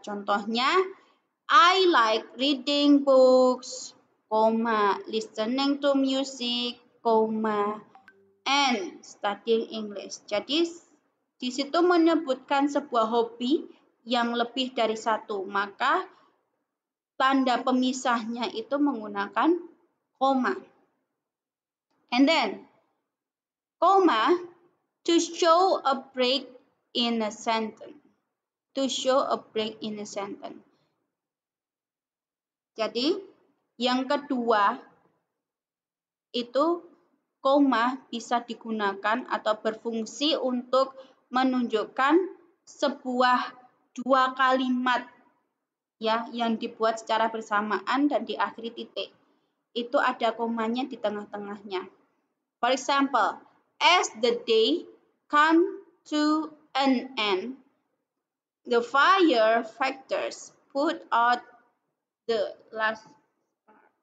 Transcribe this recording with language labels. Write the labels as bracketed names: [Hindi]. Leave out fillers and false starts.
[English] Contohnya, I like reading books, comma, listening to music, comma, and studying English. [Indonesian] Jadi, di situ menyebutkan sebuah hobi yang lebih dari satu. Maka, tanda pemisahnya itu menggunakan comma. [English] And then, comma to show a break in a sentence. To show a break in a sentence. [Indonesian] Jadi, yang kedua itu koma bisa digunakan atau berfungsi untuk menunjukkan sebuah dua kalimat ya yang dibuat secara bersamaan dan diakhiri titik. Itu ada komanya di tengah-tengahnya. [English] For example, as the day come to an end, the firefighters put out the last spark.